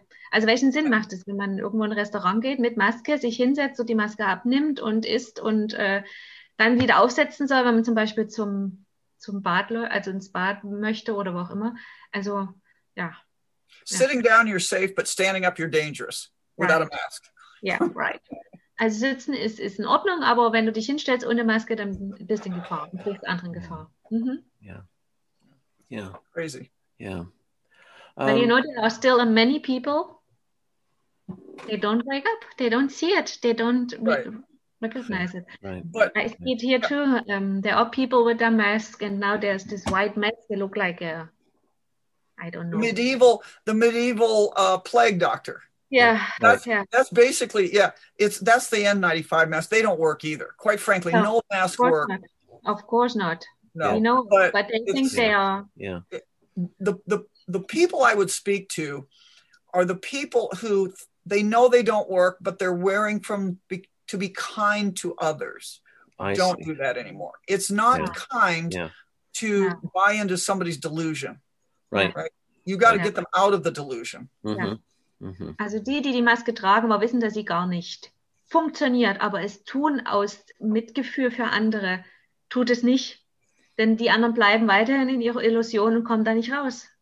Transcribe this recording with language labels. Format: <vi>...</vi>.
<de>Also welchen Sinn macht es, wenn man irgendwo in ein Restaurant geht, mit Maske, sich hinsetzt und die Maske abnimmt und isst und dann wieder aufsetzen soll, wenn man zum Beispiel zum Bad, also ins Bad möchte oder wo auch immer. Also, ja.</de> <en>Sitting down, you're safe, but standing up, you're dangerous without a mask. Yeah, right.</en> <de>Also sitzen ist in Ordnung, aber wenn du dich hinstellst ohne Maske, dann bist du in Gefahr, du bist anderen Gefahr.</de> <en>Yeah. Crazy. Yeah. But you know, there are still many people, they don't wake up, they don't see it, they don't recognize it. Right. But I see it here too. There are people with their masks, and now there's this white mask, they look like a, I don't know. The medieval plague doctor. That's basically, that's the N95 mask. They don't work either. Quite frankly, no mask work. Of course not. No, you know, but they think they are. The people I would speak to are the people who they know they don't work, but they're wearing to be kind to others. I don't see that anymore. It's not kind to buy into somebody's delusion. Right. You got to get them out of the delusion.</en> <de>Also die Maske tragen, aber wissen, dass sie gar nicht funktioniert, aber es tun aus Mitgefühl für andere, tut es nicht, denn die anderen bleiben weiterhin in ihrer Illusion und kommen da nicht raus.</de>